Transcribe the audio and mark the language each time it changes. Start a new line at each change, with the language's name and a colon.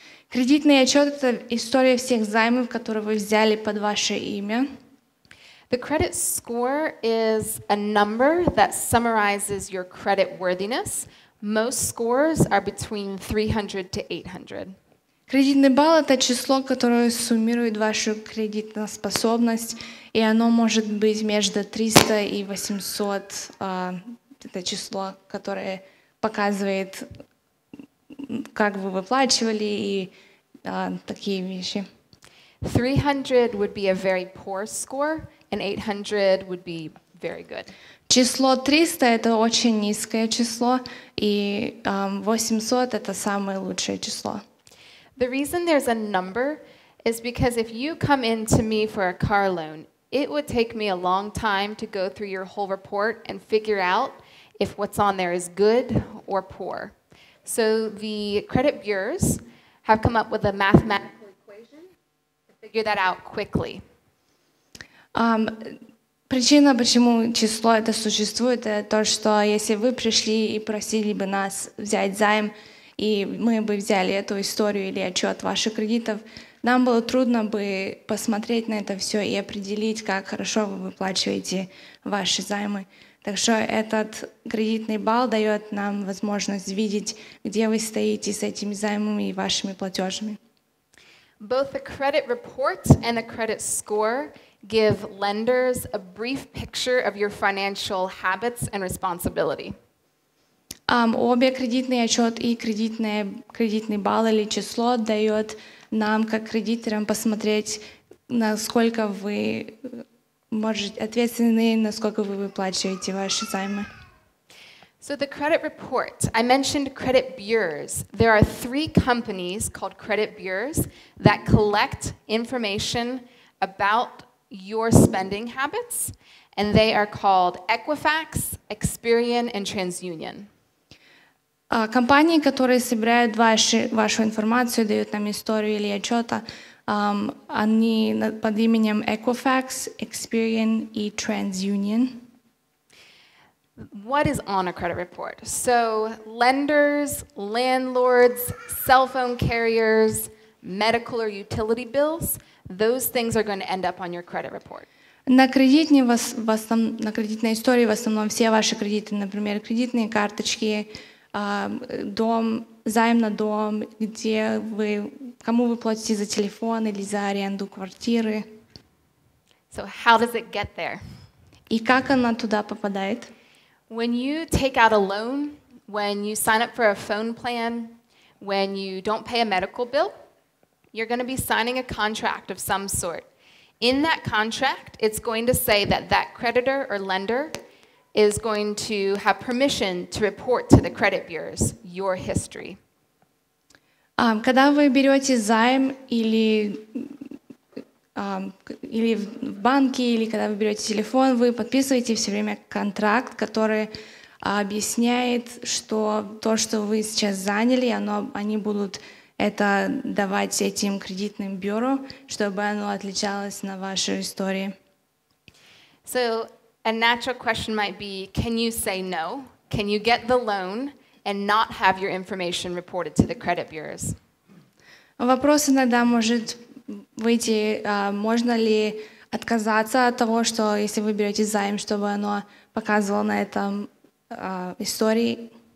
Russian: Кредитный отчет — это история всех займов, которые вы взяли под ваше имя.
English: The credit score is a number that summarizes your credit worthiness. Most scores are between 300 to 800.
Russian: Кредитный балл — это число, которое суммирует вашу кредитоспособность, и оно может быть между 300 и 800. Это число, которое показывает, как вы выплачивали и такие вещи.
English: 300 would be a very poor score, and 800 would be very good.
Russian: Число 300 — это очень низкое число, и 800 — это самое лучшее число.
English: The reason there's a number is because if you come in to me for a car loan, it would take me a long time to go through your whole report and figure out if what's on there is good or poor. So the credit bureaus have come up with a mathematical equation to figure that out quickly.
Russian: Причина, почему число это существует, это то, что если вы пришли и просили бы нас взять займ, и мы бы взяли эту историю или отчет ваших кредитов, нам было трудно бы посмотреть на это все и определить, как хорошо вы выплачиваете ваши займы. Так что этот кредитный балл дает нам возможность видеть, где вы стоите с этими займами и вашими платежами.
English: Both the credit report and the credit score give lenders a brief picture of your financial habits and responsibility.
Russian: Обе кредитный отчет и кредитный балл или число дает нам, как кредиторам, посмотреть, насколько вы можете ответственны, насколько вы выплачиваете ваши займы.
English: So the credit report. I mentioned credit bureaus. There are three companies called credit bureaus that collect information about your spending habits, and they are called Equifax, Experian, and TransUnion.
Russian: Компании, которые собирают вашу информацию, дают нам историю или отчета, они под именем Equifax, Experian и TransUnion.
English: What is on a credit report? So lenders, landlords, cell phone carriers, medical or utility bills, those things are going to end up on your credit report.
Russian: На кредитной истории в основном все ваши кредиты, например, кредитные карточки, дом, займ на дом, где вы, кому вы платите за телефон или за аренду квартиры.
English: So how does it get there?
Russian: И как она туда попадает?
English: When you take out a loan, when you sign up for a phone plan, when you don't pay a medical bill, you're going to be signing a contract of some sort. In that contract, it's going to say that that creditor or lender is going to have permission to report to the credit bureaus your history.
Russian: Когда вы берете займ или, или в банке, или когда вы берете телефон, вы подписываете все время контракт, который объясняет, что то, что вы сейчас заняли, они будут это давать этим кредитным бюро, чтобы оно отличалось на вашей истории.
English: So, a natural question might be, can you say no? Can you get the loan and not have your information reported to the credit bureaus?
Russian: Вопрос иногда может выйти, можно ли отказаться от того, что если вы берете займ, чтобы оно показывало на этом истории?